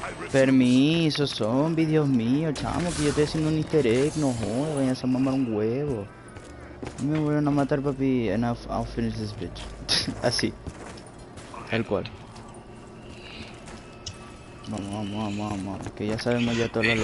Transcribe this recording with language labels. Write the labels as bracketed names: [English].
[Spanish] Permiso, zombie, Dios mío, chamo, que yo estoy haciendo un easter egg, no jodas, vayas a mamar un huevo. Me voy a matar, papi, [English] enough, I'll finish this bitch. [Spanish] Así. El cual. Vamos, que ya sabemos ya todo lo que